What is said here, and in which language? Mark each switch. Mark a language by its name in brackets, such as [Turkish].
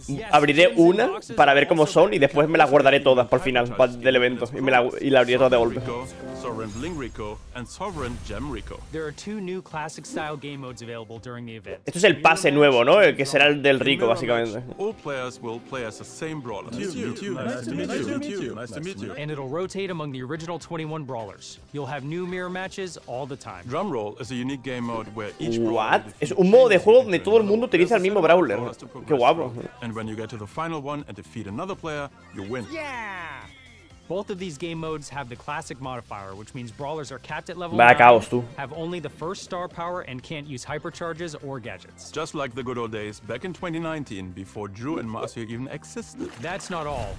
[Spanish] Abriré una para ver cómo son y después me las guardaré todas para el final del evento y la abriré todas de golpe. [English] Sovereign Bling Rico and Sovereign Gem Rico. There are two new classic style game modes available during the event. [Spanish] Esto es el pase nuevo, ¿no? El que será el del Rico, básicamente. [English] All players will play as the same brawler. Nice to meet you. And it'll rotate among the original 21 brawlers. You'll have new mirror matches all the time. Drum Roll is a unique game mode where each brawler. What? [Spanish] Es un modo de juego donde todo el mundo utiliza el mismo brawler. Qué guapo. [English] And when you get to the final one and defeat another player, you win. Yeah. Both of these game modes have the classic modifier, which means brawlers are capped at level 9, have only the first star power, and can't use hypercharges or gadgets. Just like the good old days back in 2019, before Drew and Marcia even existed. That's not all.